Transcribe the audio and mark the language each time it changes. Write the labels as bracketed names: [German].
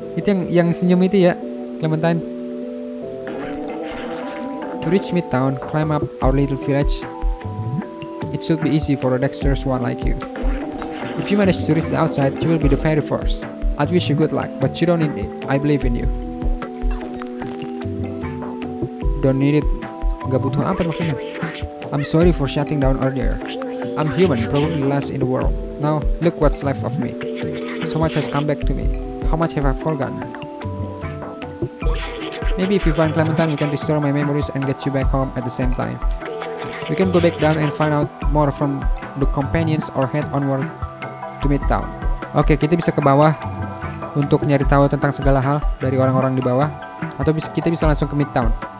[Indonesian] Itu yang senyum itu ya, Clementine. [English] To reach Midtown, climb up our little village. It should be easy for a dexterous one like you. If you manage to reach the outside, you will be the very first. I'd wish you good luck, but you don't need it. I believe in you. Don't need it. [Indonesian] Gak butuh apa maksudnya. [English] I'm sorry for shutting down earlier. I'm human, probably last in the world. Now, look what's left of me. So much has come back to me. How much have I forgotten? Maybe if you find Clementine, we can restore my memories and get you back home at the same time. We can go back down and find out more from the companions or head onward to Midtown. [Indonesian] Oke, kita bisa ke bawah untuk nyari tahu tentang segala hal dari orang-orang di bawah, atau kita bisa langsung ke Midtown.